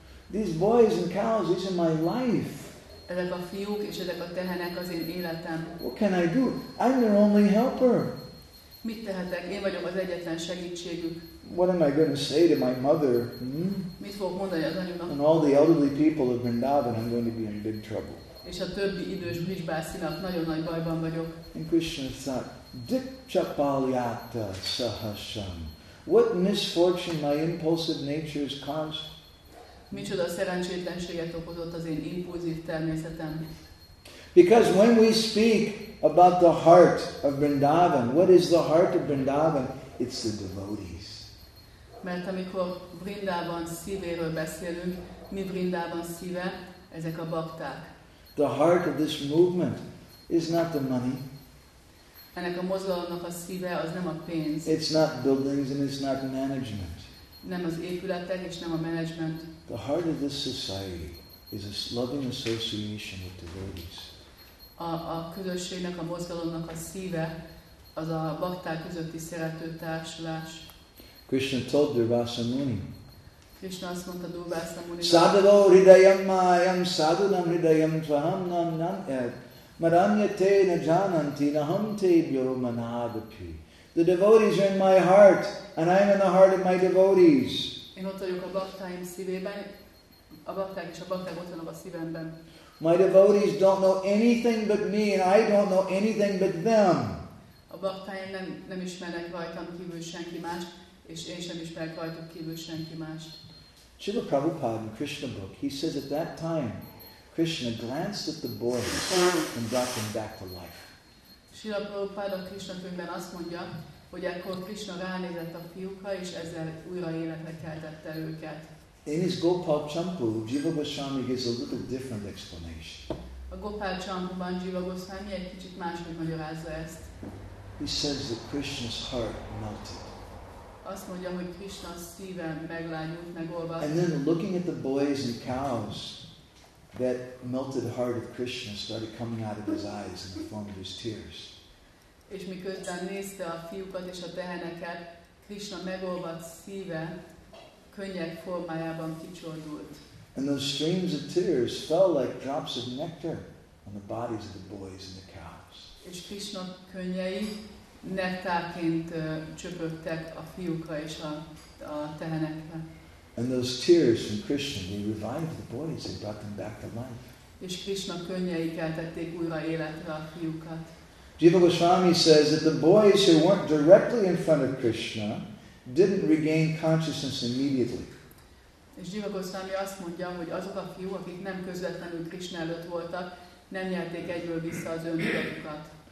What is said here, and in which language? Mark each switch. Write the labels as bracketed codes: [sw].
[en] These boys and cows, these are my life. [hu] Ezek a fiúk és ezek a tehenek az én életem. [en] What can I do? I'm their only helper. [hu] Mit tehetek? Én vagyok az egyetlen segítségük. [en] What am I going to say to my mother? [hu] Mit fogok mondani az anyuknak? [en] And all the elderly people of Vrindavan, I'm going to be in big trouble. [hu] És a többi idős brizsbászinak nagyon nagy bajban vagyok. [en] And Krishna thought, [sa] Dik chapalyata sahasam. [en] What misfortune my impulsive nature has caused. [hu] Micsoda szerencsétlenséget okozott az én impulzív természetem. [en] Because when we speak about the heart of Vrindavan, what is the heart of Vrindavan? It's the devotees. [hu] Mert amikor Vrindavan szívéről beszélünk, mi Vrindavan szíve? Ezek a bakták. [en] The heart of this movement is not the money. [hu] Ennek a mozgalomnak a szíve az nem a pénz. [en] It's not buildings and it's not management. [hu] Nem az épületek és nem a management. [en] The heart of this society is a loving association with devotees. [hu] A közösségnek, a mozgalomnak a szíve az a bakták közötti szerető társulás. [en] Krishna told Durvasa Muni. [hu] Krishna azt mondta Durvasa Muninak. [sa] Sadhavo hridayam mayam sadhunam hridayam tvaham nam nam ed maranyate na jananti naham tebyo manadapi. [en] The devotees are in my heart and I am in the heart of my devotees. [hu] Én ott vagyok a baktáim szívében, a bakták és a bakták ott vannak a szívemben. [en] My devotees don't know anything but me, and I don't know anything but them. [hu] A baktáim nem ismernek rajtam kívül senki más, és én sem ismerek rajtuk kívül senki más. [en] Srila Prabhupada in Krishna book, he says at that time, Krishna glanced at the boys and brought them back to life. [hu] Srila Prabhupada Krishna könyvben azt mondja, hogy akkor Krishna ránézett a fiúkra, és ezzel újra életre keltette őket. [en] In his Gopal Champu, Jiva Goswami gives a little different explanation. [hu] A Gopal Champuban Jiva Goswami egy kicsit másképp magyarázza ezt. [en] He says that Krishna's heart melted. [hu] Azt mondja, hogy Krishna szíve meglányult, megolvadt. [en] And then looking at the boys and cows, that melted heart of Krishna started coming out of his eyes in the form of his tears. [hu] És miközben nézte a fiúkat és a teheneket, Krishna megolvadt szíve könnyek formájában kicsordult. [en] And those streams of tears fell like drops of nectar on the bodies of the boys and the cows. [hu] És Krishna könnyei nektárként csöpögtek a fiúkra és a tehenekre. [en] And those tears from Krishna, they revived the boys and brought them back to life. [hu] És Krishna könnyei keltették újra életre a fiúkat. [en] Jiva Goswami says that the boys who weren't directly in front of Krishna didn't regain consciousness immediately. [hu] És Jiva Goswami azt mondja, hogy azok a fiú, akik nem közvetlenül Krishna előtt voltak, nem nyerték egyből vissza az öntudatukat.